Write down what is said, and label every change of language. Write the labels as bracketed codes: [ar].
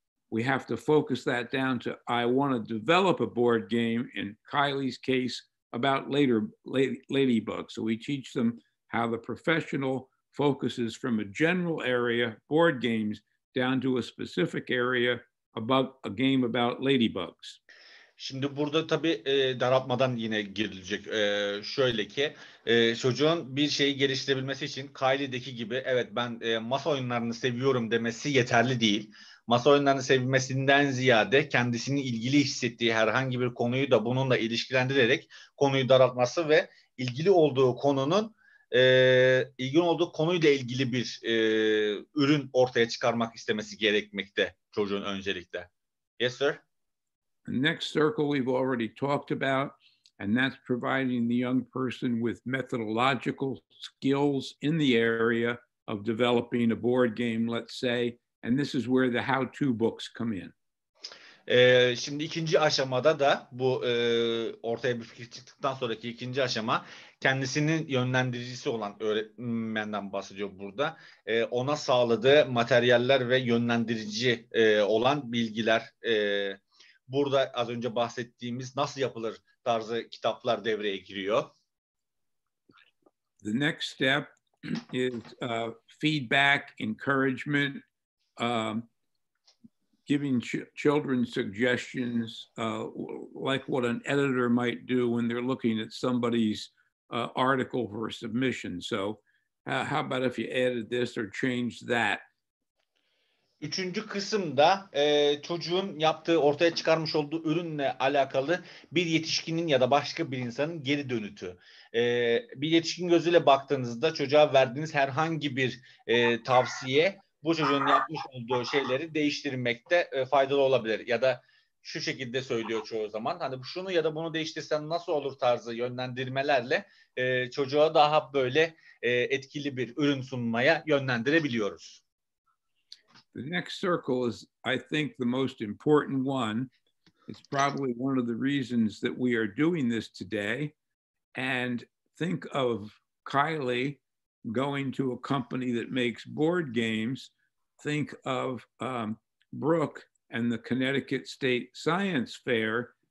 [en] We have to focus that down to, I want to develop a board game, in Kylie's case, about ladybugs. So we teach them how the professional focuses from a general area, board games, down to a specific area, about a game about ladybugs. [tr] Şimdi burada tabii daraltmadan yine girilecek. Şöyle ki çocuğun bir şeyi geliştirebilmesi için Kylie'deki gibi evet ben masa oyunlarını seviyorum demesi yeterli değil. Masa oyunlarını sevmesinden ziyade kendisinin ilgili hissettiği herhangi bir konuyu da bununla ilişkilendirerek konuyu daraltması ve ilgili olduğu konunun ilgin olduğu konuyla ilgili bir ürün ortaya çıkarmak istemesi gerekmekte çocuğun öncelikle. [en] Yes, sir. Next circle we've already talked about, and that's providing the young person with methodological skills in the area of developing a board game, let's say, and this is where the how-to books come in. [tr] Şimdi ikinci aşamada da bu ortaya bir fikir çıktıktan sonraki ikinci aşama kendisinin yönlendiricisi olan öğretmenden bahsediyor burada. Ona sağladığı materyaller ve yönlendirici olan bilgiler burada az önce bahsettiğimiz nasıl yapılır tarzı kitaplar devreye giriyor. [en] The next step is feedback, encouragement, giving children suggestions, like what an editor might do when they're looking at somebody's article for a submission. So, how about if you added this or changed that? [tr] Üçüncü kısımda çocuğun yaptığı, ortaya çıkarmış olduğu ürünle alakalı bir yetişkinin ya da başka bir insanın geri dönütü. Bir yetişkin gözüyle baktığınızda çocuğa verdiğiniz herhangi bir tavsiye bu çocuğun yapmış olduğu şeyleri değiştirmekte faydalı olabilir. Ya da şu şekilde söylüyor çoğu zaman. Hani şunu ya da bunu değiştirsen nasıl olur tarzı yönlendirmelerle çocuğa daha böyle etkili bir ürün sunmaya yönlendirebiliyoruz. [en] The next circle is, I think, the most important one. It's probably one of the reasons that we are doing this today. And think of Kylie going to a company that makes board games. Think of Brooke and the Connecticut State Science Fair.